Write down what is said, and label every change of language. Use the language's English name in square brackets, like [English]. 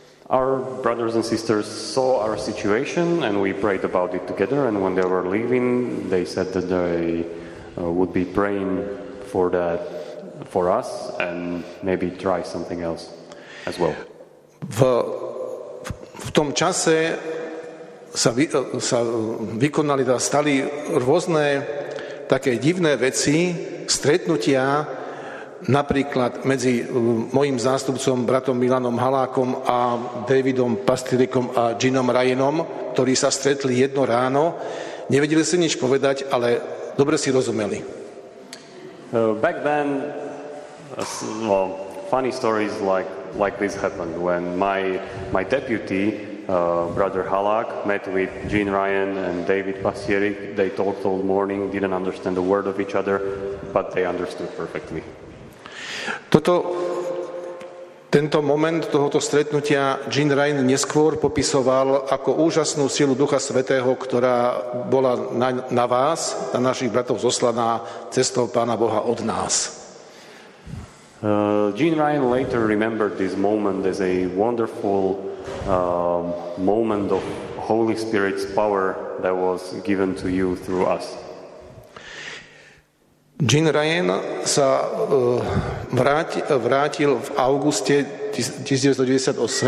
[English] Our brothers and sisters saw our situation and we prayed about it together, and when they were leaving they said that they would be praying for that for us and maybe try something else as well. [Slovak] V tom čase sa vykonali, stali rôzne také divné veci, stretnutia, napríklad medzi mojim zástupcom, bratom Milanom Halákom a Davidom Pastyrikom a Ginom Ryanom, ktorí sa stretli jedno ráno. Nevedeli si nič povedať, ale dobre si rozumeli. [English] Back then, well, funny stories like this happened when my deputy, brother Halák, met with Jean Ryan and David Pastyrik. They talked all morning, didn't understand a word of each other, but they understood perfectly. [Slovak] Tento moment tohoto stretnutia Jean Ryan neskôr popisoval ako úžasnú silu Ducha Svätého, ktorá bola na vás, na našich bratov zoslaná cestou Pána Boha od nás. [English] Jean Ryan later remembered this moment as a wonderful moment of Holy Spirit's power that was given to you through us. [Slovak] Jean Ryan sa vrátil v auguste 1998.